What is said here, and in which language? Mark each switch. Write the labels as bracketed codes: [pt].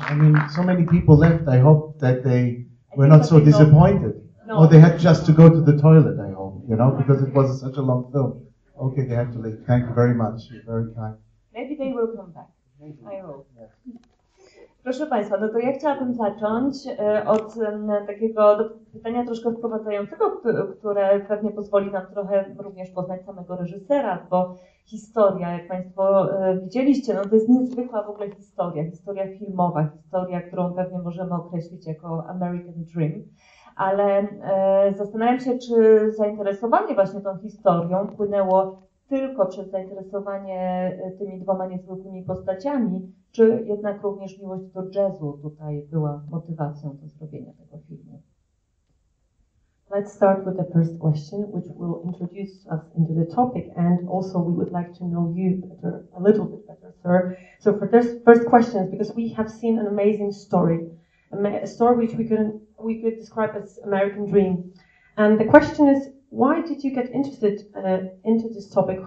[en] I mean, so many people left. I hope that they were not so disappointed. Or they had just to go to the toilet, I hope, you know, because it was such a long film. Okay, they have to leave. Thank you very much. You're very kind. Maybe they will come back. I hope. [pl] Proszę Państwa, no to ja chciałabym zacząć od takiego pytania troszkę wprowadzającego, które pewnie pozwoli nam trochę również poznać samego reżysera, bo historia, jak Państwo widzieliście, no to jest niezwykła w ogóle historia, historia filmowa, historia, którą pewnie możemy określić jako American Dream, ale zastanawiam się, czy zainteresowanie właśnie tą historią wpłynęło tylko przez zainteresowanie tymi dwoma niezwykłymi postaciami, czy jednak również miłość do jazzu tutaj była motywacją do zrobienia tego filmu? [en] Let's start with the first question, which will introduce us into the topic, and also we would like to know you better, a little bit better, sir. So for this first question, because we have seen an amazing story, a story which we could describe as American Dream, and the question is, why did you get interested into this topic?